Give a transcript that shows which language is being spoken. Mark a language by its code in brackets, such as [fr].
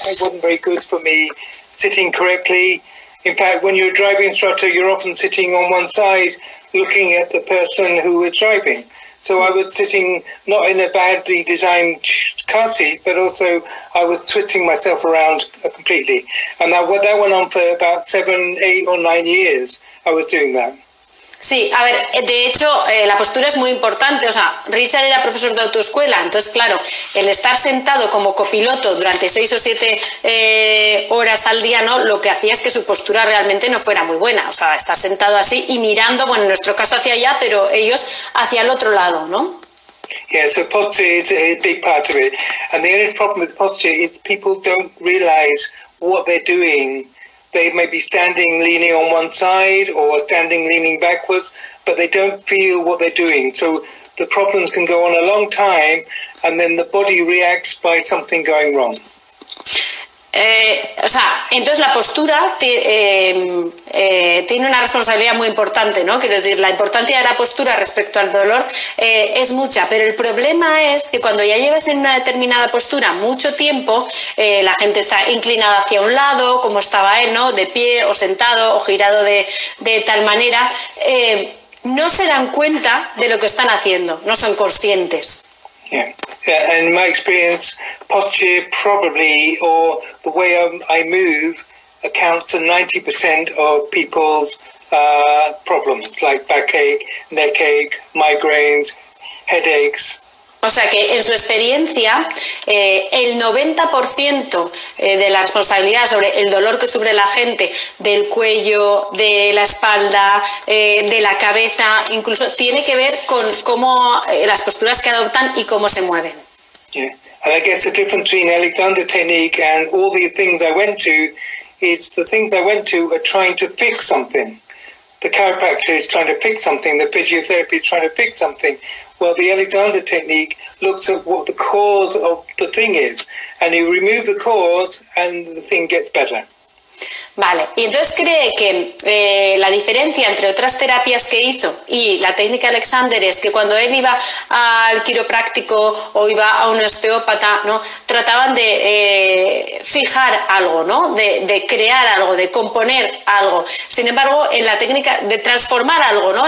[en] It wasn't very good for me sitting correctly. In fact, when you're a driving instructor, you're often sitting on one side looking at the person who is driving. So I was sitting not in a badly designed car seat, but also I was twisting myself around completely. And that went on for about 7, 8, or 9 years, I was doing that. [es] Sí, a ver, de hecho, la postura es muy importante. O sea, Richard era profesor de autoescuela, entonces, claro, el estar sentado como copiloto durante 6 o 7 horas al día, ¿no? Lo que hacía es que su postura realmente no fuera muy buena. O sea, estar sentado así y mirando, bueno, en nuestro caso hacia allá, pero ellos hacia el otro lado, ¿no? [en] Yeah, so posture is a big part of it. And the only problem with posture is people don't realize what they're doing. They may be standing leaning on one side or standing leaning backwards, but they don't feel what they're doing. So the problems can go on a long time, and then the body reacts by something going wrong. [es] O sea, entonces la postura tiene una responsabilidad muy importante, ¿no? Quiero decir, la importancia de la postura respecto al dolor es mucha, pero el problema es que cuando ya llevas en una determinada postura mucho tiempo, la gente está inclinada hacia un lado, como estaba él, ¿no? De pie o sentado o girado de tal manera, no se dan cuenta de lo que están haciendo, no son conscientes. [en] Yeah, and in my experience, posture probably, or the way I move, accounts for 90% of people's problems, like backache, neckache, migraines, headaches. [es] O sea que en su experiencia, el 90% de la responsabilidad sobre el dolor que sufre la gente, del cuello, de la espalda, de la cabeza, incluso tiene que ver con cómo las posturas que adoptan y cómo se mueven. [en] Yeah. And I guess the difference between Alexander Technique and all the things I went to is the things I went to are trying to fix something. The chiropractor is trying to fix something, the physiotherapy is trying to fix something. Well, the Alexander Technique looks at what the cause of the thing is, and you remove the cause and the thing gets better. [es] Vale, y entonces cree que la diferencia entre otras terapias que hizo y la técnica Alexander es que cuando él iba al quiropráctico o iba a un osteópata, ¿no? Trataban de fijar algo, ¿no? De crear algo, de componer algo. Sin embargo, en la técnica de transformar algo, ¿no?